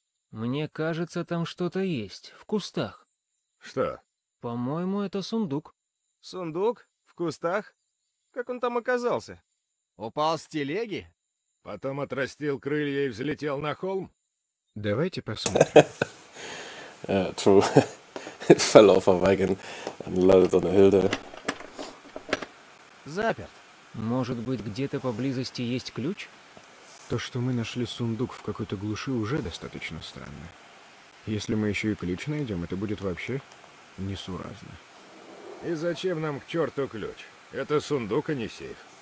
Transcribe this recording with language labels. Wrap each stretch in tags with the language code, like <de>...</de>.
<ru>Мне кажется, там что-то есть, в кустах. Что? По-моему, это сундук. Сундук? В кустах? Как он там оказался? Упал с телеги? Потом отрастил крылья и взлетел на холм? Давайте посмотрим.</ru> <en>True. It fell off a wagon and landed on a hill there.</en> <ru>Заперт. Может быть, где-то поблизости есть ключ? То, что мы нашли сундук в какой-то глуши, уже достаточно странно. Если мы еще и ключ найдем, это будет вообще несуразно. И зачем нам к черту ключ? Это сундук, а не сейф.</ru>